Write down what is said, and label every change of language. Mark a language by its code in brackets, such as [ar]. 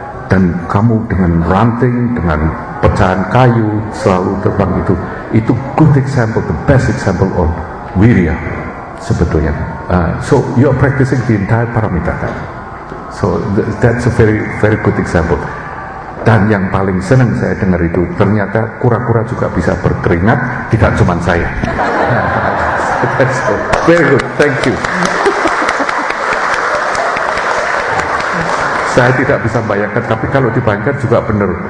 [id] Dan kamu dengan ranting, dengan pecahan kayu selalu terbang itu [en] good example, the best example of [id] Wirya sebetulnya. [en] So you're practicing the entire Paramita. So that's a very very good example. [id] Dan yang paling senang saya dengar itu ternyata kura-kura juga bisa berkeringat, tidak cuma saya. [en] That's so, very good, thank you. [id] Saya tidak bisa bayangkan, tapi kalau dibayangkan juga benar.